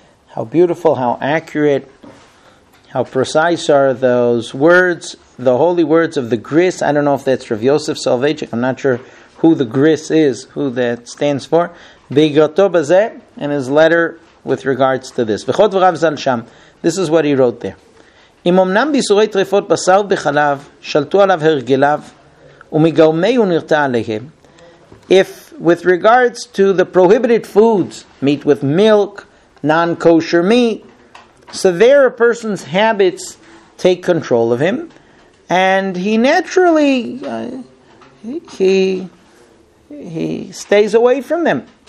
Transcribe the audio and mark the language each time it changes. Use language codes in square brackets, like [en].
[en] How beautiful, how accurate, how precise are those words, the holy words of the Gris. I don't know if that's Rav Yosef Soloveitchik. I'm not sure who the Gris is, who that stands for. [he] Beigoto bazeh, [en] and his letter with regards to this. [he] V'chot v'rav zal sham. [en] This is what he wrote there. [he] אם אמנם ביסורי טריפות בשר בחלב שלטו עליו הרגליו ומגרמי הוא נרתע עליהם. [en] If with regards to the prohibited foods, meat with milk, non-kosher meat, so there a person's habits take control of him and he naturally he stays away from them.